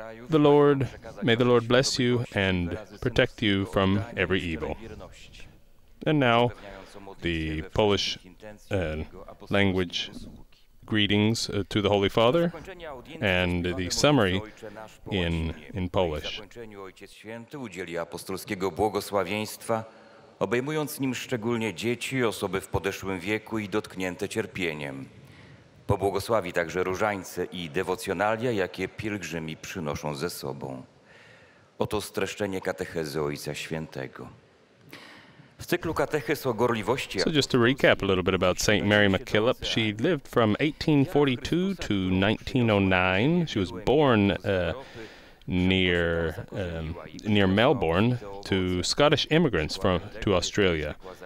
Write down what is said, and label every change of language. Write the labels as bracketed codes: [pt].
[en] May the Lord bless you and protect you from every evil. And now, the Polish language greetings to the Holy Father and the summary in Polish. [pl] Obejmując nim szczególnie dzieci, osoby w podeszłym wieku i dotknięte cierpieniem. Pobłogosławi także różańce i dewocjonalia, jakie pielgrzymi przynoszą ze sobą. Oto streszczenie katechezy Ojca Świętego. W cyklu katechez o gorliwości... [en] So just to recap a little bit about St. Mary McKillop. She lived from 1842 to 1909. She was born near Melbourne to Scottish immigrants to Australia.